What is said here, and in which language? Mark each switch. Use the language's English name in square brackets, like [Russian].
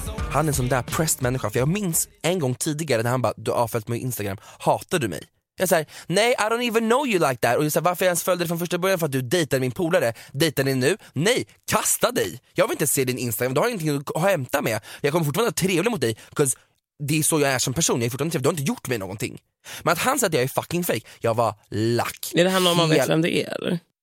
[Swedish] Han är som där pressed människa, för jag minns en gång tidigare när han bara, du har avföljt mig på Instagram, hatar du mig? Jag säger, nej, [English] I don't even know you like that. [Swedish] Och jag säger, varför jag ens följde dig från första början? För att du dejtade min polare. Dejtar ni nu? Nej, kasta dig. Jag vill inte se din Instagram, du har ingenting att hämta med. Jag kommer fortfarande vara trevlig mot dig, because det är så jag är som person, jag är fortfarande trevlig. Du har inte gjort mig någonting. Men att han säger att jag är fucking fake, jag var lack. Är det han om man vet vem det är?